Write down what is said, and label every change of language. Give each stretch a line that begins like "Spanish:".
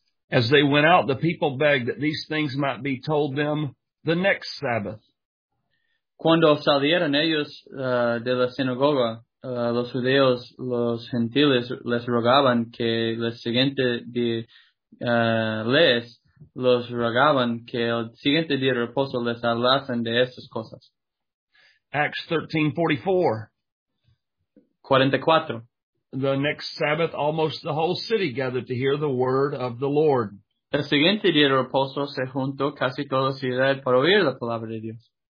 English: As they went out, the people begged that these things might be told them the next Sabbath.
Spanish: Cuando salieron ellos de la sinagoga, los judíos, los gentiles, les rogaban que el siguiente día les los rogaban que el siguiente día de reposo les hablasen de estas cosas.
English: Acts 13:44. The next Sabbath, almost the whole city gathered to hear the word of the Lord.
Spanish: El siguiente día de reposo se juntó casi toda la ciudad para oír la palabra de Dios.